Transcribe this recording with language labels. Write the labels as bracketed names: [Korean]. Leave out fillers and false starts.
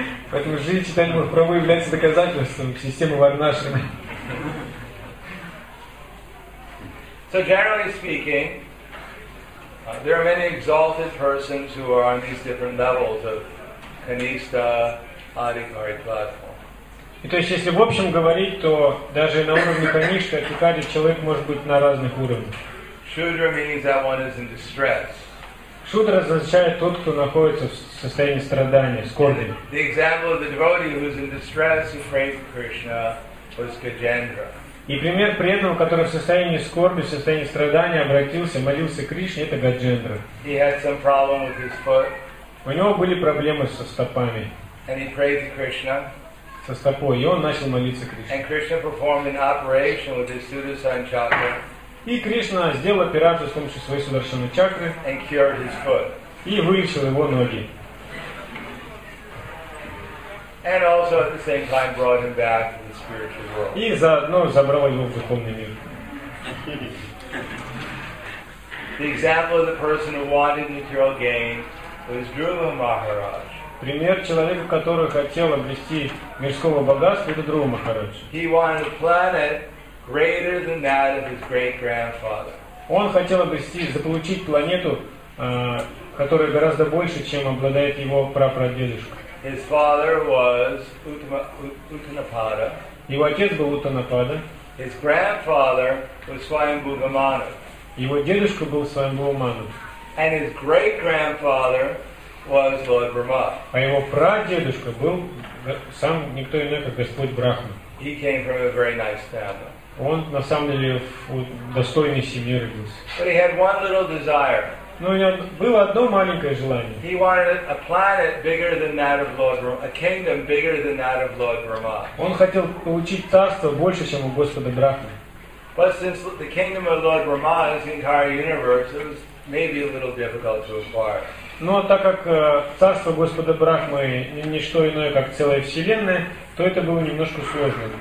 [Russian] Поэтому жизнь Чайтаньи Махапрабху является доказательством системы Варнашрама. [English] So generally speaking, there are many exalted persons who are on these different levels of Kanista, Adhikari platform. [Russian] И то есть, если в общем говорить, то даже на уровне Каништы, Адхикари человек может быть на разных уровнях. [English] Shudra means that one is in distress. [Russian] Шудра означает тот, кто находится в состоянии страдания, скорби. [English] The example of the devotee who is in distress who prays to Krishna was Gajendra. [Russian] И пример преданного, который в состоянии скорби, в состоянии страдания обратился, молился Кришне, это Гаджендра. [English] He had some problem with his foot. [Russian] У него были проблемы со стопами. [English] And he prayed to Krishna. [Russian] Со стопой, и он начал молиться Кришне. [English] And Krishna performed an operation with his Sudarshan chakra. [Russian] И Кришна сделал операцию с помощью своей Сударшаны чакры [English] and cured his foot. [Russian] И вылечил его ноги. [English] And also at the same time brought him back to the spiritual world. [Russian] И заодно забрал его в духовный мир. [English] The example of the person who wanted material gain was Dhruva Maharaj. [Russian] Пример человека, который хотел обрести мирского богатства, это Друва Махарадж. [English] He wanted a planet greater than that of his great grandfather. [Russian] Он хотел обрести, заполучить планету, которая гораздо больше, чем обладает его прапрадедушка. [English] His father was Uttanapada. [Russian] Его отец был Уттанапада. [English] His grandfather was Swayambhu Bhumanu. [Russian] Его дедушка был Свайамбху Бхуману. [English] And his great grandfather was Lord Brahma. [Russian] А его прадедушка был сам никто иной, как Господь Брахма. [English] He came from a very nice family. [Russian] Он на самом деле в достойной семье родился. [English] But he had one little desire. [Russian] Но у него было одно маленькое желание. [English] He wanted a planet bigger than that of Lord Brahma, a kingdom bigger than that of Lord Brahma. [Russian] Он хотел получить царство больше, чем у Господа Брахмы. [English] But since the kingdom of Lord Brahma is the entire universe, it was maybe a little difficult to acquire. [Russian] Но так как царство Господа Брахмы не что иное, как целая вселенная, то это было немножко сложно